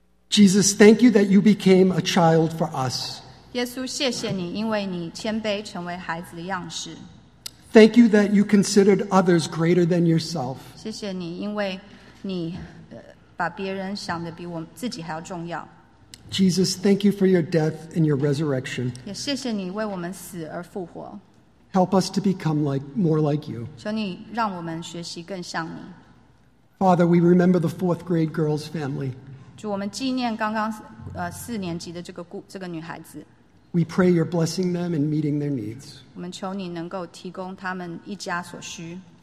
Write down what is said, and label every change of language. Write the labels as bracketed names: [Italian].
[English] Jesus, thank you that you became a child for us. [Chinese] 耶稣，谢谢你，因为你谦卑成为孩子的样式。 [English] Thank you that you considered others greater than yourself. [Chinese] 谢谢你，因为你把别人想得比我自己还要重要。 [English] Jesus, thank you for your death and your resurrection. [Chinese] 也谢谢你为我们死而复活。 [English] Help us to become more like you. [Chinese] 求你让我们学习更像你。 [English] Father, we remember the fourth grade girl's family. [Chinese] 主，我们纪念刚刚四年级的这个女孩子。 [English] We pray your blessing them and meeting their needs. [Chinese] 我们求你能够提供他们一家所需。